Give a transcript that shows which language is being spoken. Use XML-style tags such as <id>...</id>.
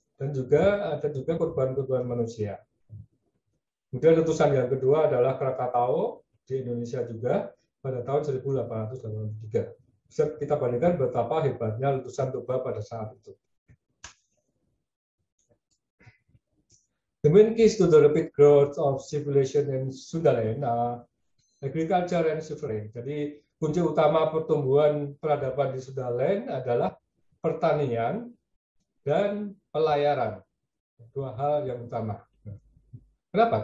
<id>Dan juga ada juga korban-korban manusia. Kemudian letusan yang kedua adalah Krakatau di Indonesia juga pada tahun 1883. Bisa kita bandingkan betapa hebatnya letusan Toba pada saat itu.</id> <en>The main keys to the rapid growth of civilization in Sundaland are agriculture and suffering.</en> <id>Jadi kunci utama pertumbuhan peradaban di Sundaland adalah pertanian dan pelayaran, dua hal yang utama. Kenapa?</id>